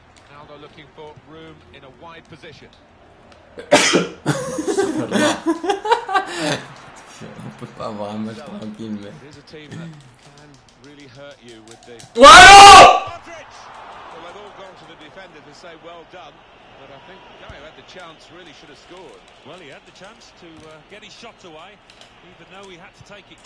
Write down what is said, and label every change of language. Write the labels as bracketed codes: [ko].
[en] Now they're looking for room in a wide position. [fr] On peut pas avoir un match tranquille, mais. [en] Here's a team that can really hurt you with the. Wow! Well, they've all gone to the defender to say well done. But I think the guy who had the chance really should have scored. Well, he had the chance to get his shot away, even though he had to take it.